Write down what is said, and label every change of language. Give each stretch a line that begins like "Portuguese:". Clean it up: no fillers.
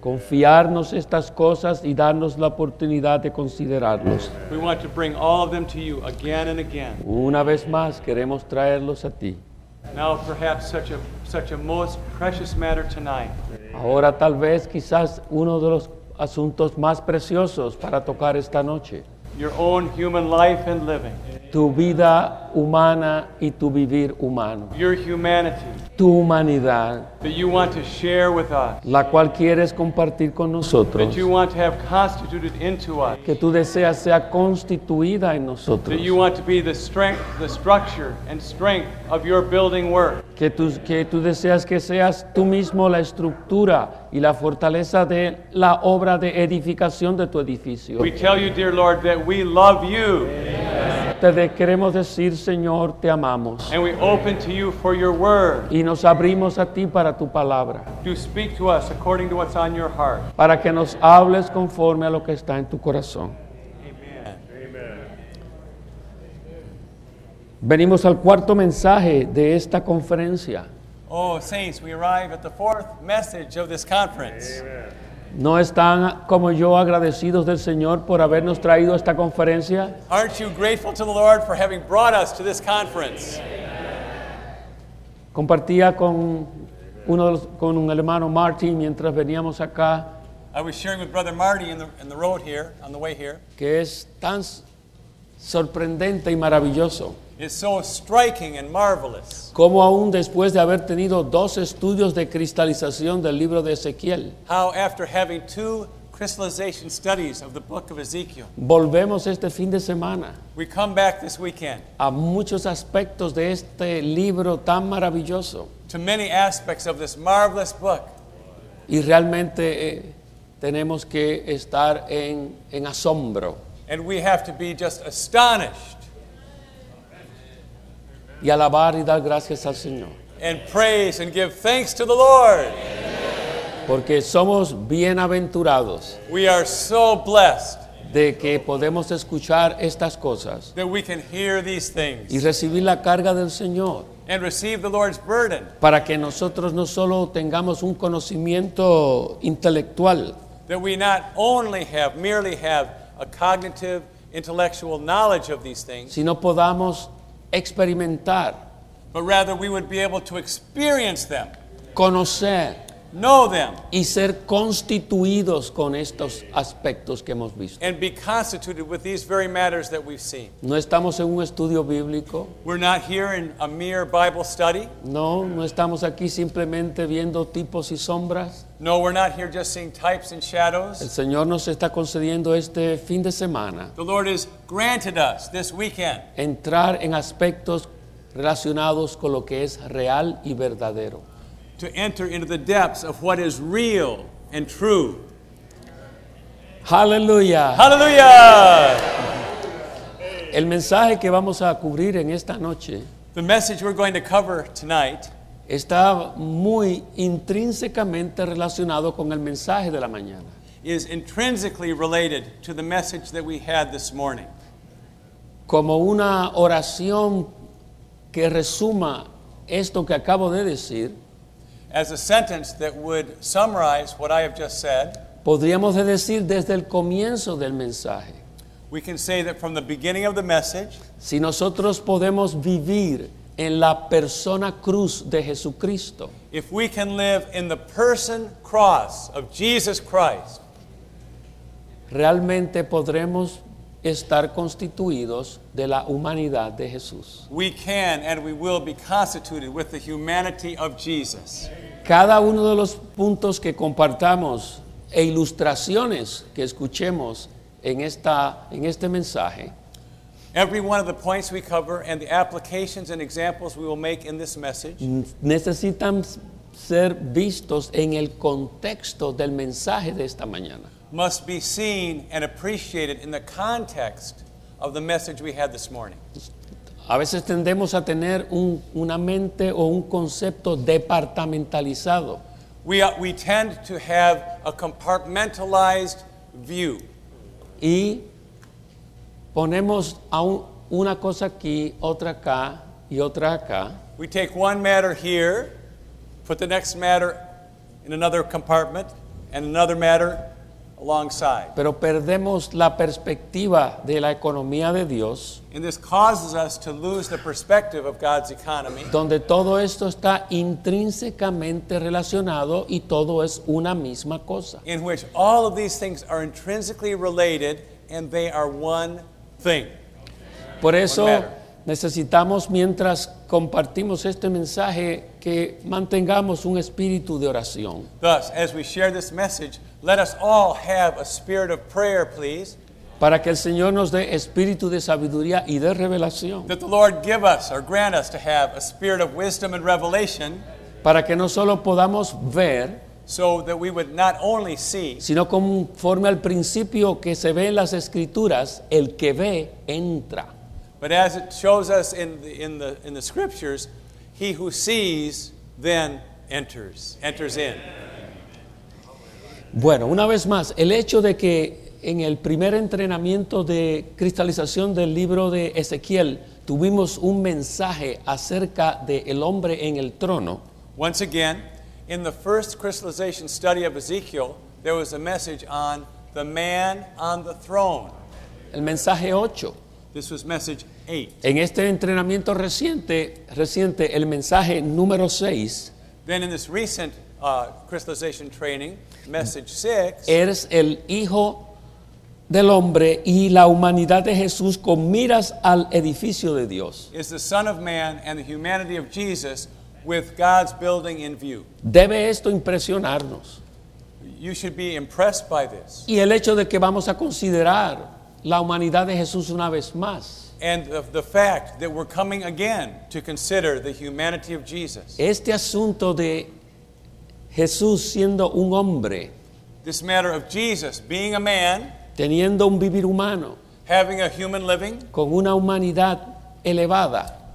Spanish: Confiarnos estas cosas y darnos la oportunidad de considerarlos.
English: We want to bring all of them to you again and again.
Spanish: Una vez más queremos traerlos a ti.
English: Now perhaps such a most precious matter tonight.
Spanish: Ahora tal vez quizás uno de los asuntos más preciosos para tocar esta noche.
English: Your own human life and living.
Spanish: Tu vida humana y tu vivir humano.
English: Your humanity.
Spanish: Tu humanidad.
English: That you want to share with us.
Spanish: La cual quieres compartir con nosotros.
English: That you want to have constituted into us.
Spanish: Que tú deseas sea constituida en nosotros.
English: That you want to be the strength, the structure and strength of your building work.
Spanish: Que tú deseas que seas tú mismo la estructura y la fortaleza de la obra de edificación de tu edificio.
English: We tell you, dear Lord, that we love you. Yes.
Spanish: Te queremos decir, Señor, te amamos.
English: And we open to you for your word.
Spanish: Y nos abrimos a ti para tu palabra.
English: To speak to us according to what's on your heart.
Spanish: Para que nos hables conforme a lo que está en tu corazón. Venimos al cuarto mensaje de esta conferencia.
English: Oh, saints, we arrive at the fourth message of this conference. Amen.
Spanish: ¿No están como yo agradecidos del Señor por habernos traído a esta conferencia?
English: Aren't you grateful to the Lord for having brought us to this conference?
Spanish: Compartía con un hermano Marty mientras veníamos acá.
English: I was sharing with Brother Marty in the road here, on the way here.
Spanish: Que es tan sorprendente y maravilloso.
English: It's so striking and marvelous.
Spanish: Como aún después de haber tenido dos estudios de cristalización del libro de Ezequiel.
English: How after having two crystallization studies of the book of Ezekiel.
Spanish: Volvemos este fin de semana.
English: We come back this weekend.
Spanish: A muchos aspectos de este libro tan maravilloso.
English: To many aspects of this marvelous book.
Spanish: Y realmente tenemos que estar en asombro.
English: And we have to be just astonished.
Spanish: Y alabar y dar gracias al Señor.
English: And praise and give thanks to the Lord.
Spanish: Porque somos bienaventurados.
English: We are so blessed.
Spanish: De que podemos escuchar estas cosas.
English: That we can hear these things.
Spanish: Y recibir la carga del Señor.
English: And receive the Lord's burden.
Spanish: Para que nosotros no solo tengamos un conocimiento intelectual.
English: That we not only have, merely have a cognitive, intellectual knowledge of these things.
Spanish: Sino podamos experimentar,
English: but rather we would be able to experience them,
Spanish: conocer,
English: know them,
Spanish: y ser constituidos con estos aspectos que hemos visto,
English: and be constituted with these very matters that we've seen.
Spanish: No estamos en un estudio bíblico.
English: We're not here in a mere Bible study.
Spanish: No, no estamos aquí simplemente viendo tipos y sombras.
English: No, we're not here just seeing types and shadows.
Spanish: El Señor nos está concediendo este fin de semana.
English: The Lord has granted us this weekend.
Spanish: Entrar en aspectos relacionados con lo que es real y verdadero.
English: To enter into the depths of what is real and true. Hallelujah. Hallelujah.
Spanish: El mensaje que vamos a cubrir en esta noche.
English: The message we're going to cover tonight.
Spanish: Está muy intrínsecamente relacionado con el mensaje de la mañana.
English: Is intrinsically related to the message that we had this morning.
Spanish: Como una oración que resuma esto que acabo de decir.
English: As a sentence that would summarize what I have just said.
Spanish: Podríamos decir desde el comienzo del mensaje.
English: We can say that from the beginning of the message.
Spanish: Si nosotros podemos vivir en la persona cruz de Jesucristo.
English: If we can live in the person cross of Jesus Christ.
Spanish: Realmente podremos estar constituidos de la humanidad de Jesús.
English: We can and we will be constituted with the humanity of Jesus.
Spanish: Cada uno de los puntos que compartamos e ilustraciones que escuchemos en este mensaje.
English: Every one of the points we cover and the applications and examples we will make in this message
Spanish: necesitan ser vistos en el contexto del mensaje de esta mañana.
English: Must be seen and appreciated in the context of the message we had this morning.
Spanish: A veces tendemos a tener una mente o un concepto departamentalizado.
English: we tend to have a compartmentalized view.
Spanish: Y ponemos una cosa aquí, otra acá y otra acá.
English: We take one matter here, put the next matter in another compartment, and another matter alongside.
Spanish: Pero perdemos la perspectiva de la economía de Dios.
English: And this causes us to lose the perspective of God's economy.
Spanish: Donde todo esto está intrínsecamente relacionado y todo es una misma cosa.
English: In which all of these things are intrinsically related and they are one thing.
Spanish: Por eso necesitamos, mientras compartimos este mensaje, que mantengamos un espíritu de oración.
English: Thus, as we share this message, let us all have a spirit of prayer, please.
Spanish: Para que el Señor nos dé espíritu de sabiduría y de revelación.
English: That the Lord give us or grant us to have a spirit of wisdom and revelation.
Spanish: Para que no solo podamos ver,
English: so that we would not only see,
Spanish: sino conforme al principio que se ve en las Escrituras, el que ve entra.
English: But as it shows us in the scriptures, he who sees then enters in.
Spanish: Bueno, una vez más, el hecho de que en el primer entrenamiento de cristalización del libro de Ezequiel tuvimos un mensaje acerca de el hombre en el trono.
English: Once again, in the first crystallization study of Ezekiel, there was a message on the man on the throne.
Spanish: El mensaje 8.
English: This was message 8.
Spanish: En este entrenamiento reciente, el mensaje número 6.
English: Then in this recent crystallization training, message 6.
Spanish: Eres el hijo del hombre y la humanidad de Jesús con miras al edificio de Dios.
English: Is the son of man and the humanity of Jesus with God's building in view.
Spanish: Debe esto impresionarnos.
English: You should be impressed by this.
Spanish: Y el hecho de que vamos a considerar la humanidad de Jesús una vez más.
English: And the fact that we're coming again to consider the humanity of Jesus.
Spanish: Este asunto de Jesús siendo un hombre.
English: This matter of Jesus being a man.
Spanish: Teniendo un vivir humano.
English: Having a human living.
Spanish: Con una humanidad elevada.